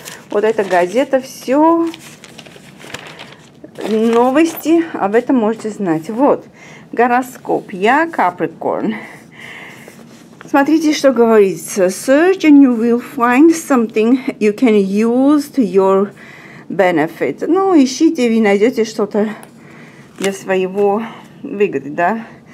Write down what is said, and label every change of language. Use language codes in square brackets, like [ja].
[ru] Вот эта газета, все новости, об этом можете знать. Вот, гороскоп, я Capricorn. Смотрите, что говорится. [en] Search and you will find something you can use to your benefit. [ru] Ну, ищите, вы найдете что-то для своего выгоды, да?